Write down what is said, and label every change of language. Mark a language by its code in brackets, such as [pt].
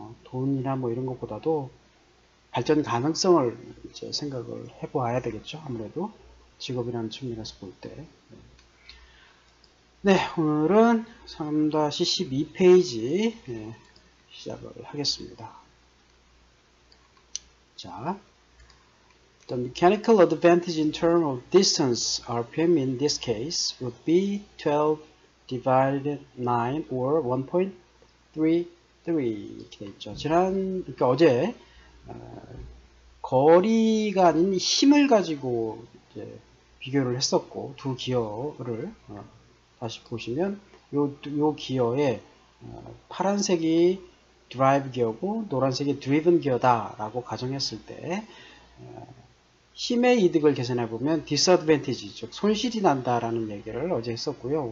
[ko] 돈이나 뭐 이런 것보다도 발전 가능성을 이제 생각을 해보아야 되겠죠. 아무래도 직업이라는 측면에서 볼 때. 네, 오늘은 3-12페이지 시작을 하겠습니다. [en] 자, The mechanical advantage in term of distance, RPM in this case, would be 12 divided 9 or 1.33 [ko] 이렇게 되어 있죠. 그러니까 어제 거리가 아닌 힘을 가지고 이제 비교를 했었고, 두 기어를 다시 보시면 요 기어의 파란색이 드라이브 기어고 노란색이 드리븐 기어다라고 가정했을 때 힘의 이득을 계산해 보면 디스어드밴티지, 즉 손실이 난다라는 얘기를 어제 했었고요.